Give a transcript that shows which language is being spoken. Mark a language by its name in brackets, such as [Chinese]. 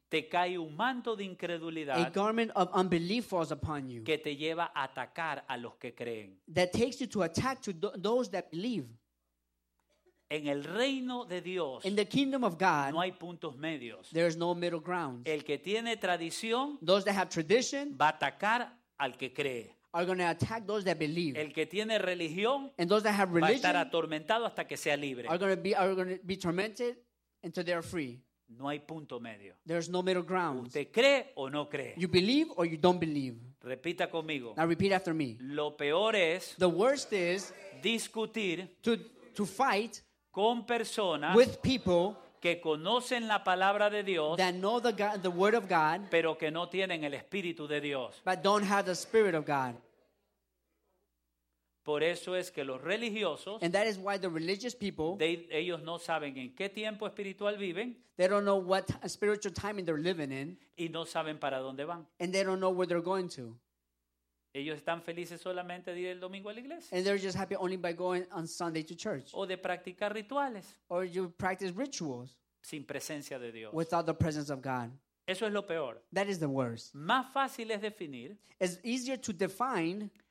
[Spanish] te cae un manto de incredulidad, [English] a garment of unbelief falls upon you, [Spanish] que te lleva a atacar a los que creen, [English] that takes you to attack to those that believe. [Spanish] En el reino de Dios, [English] in the kingdom of God, [Spanish] no hay puntos medios. [English] There is no middle ground. [Spanish] El que tiene tradición, [English] those that have tradition, [Spanish] va a atacar al que cree. [English] Are going to attack those that believe. [Spanish] El que tiene religión, [English] and those that have religion, [Spanish] va a estar atormentado hasta que sea libre. [English] Are going to be tormented until they are free. [Spanish] No hay punto medio. [English] There is no middle ground. [Spanish] Usted cree o no cree. [English] You believe or you don't believe. [Spanish] Repita conmigo. [English] Now repeat after me. [Spanish] Lo peor es, [English] the worst is, [Spanish] discutir, [English] to fight, [Spanish] con personas, [English] with people, [Spanish] que conocen la palabra de Dios, [English] that know the word of God, [Spanish] pero que no tienen el Espíritu de Dios, [English] but don't have the Spirit of God. [Spanish] Por eso es que los religiosos, [English] and that is why the religious people, [Spanish] ellos no saben en qué tiempo espiritual viven, [English] they don't know what spiritual time they're living in, [Spanish] y no saben para dónde van, [English] and they don't know where they're going to. [Spanish] Ellos están felices solamente de ir el domingo a la iglesia, [English] and they're just happy only by going on Sunday to church, [Spanish] o de practicar rituales, [English] or you practice rituals, [Spanish] sin presencia de Dios, [English] without the presence of God. [Spanish] Eso es lo peor. [English] That is the worst. [Spanish] Más fácil es definir. [English] It's easier to define.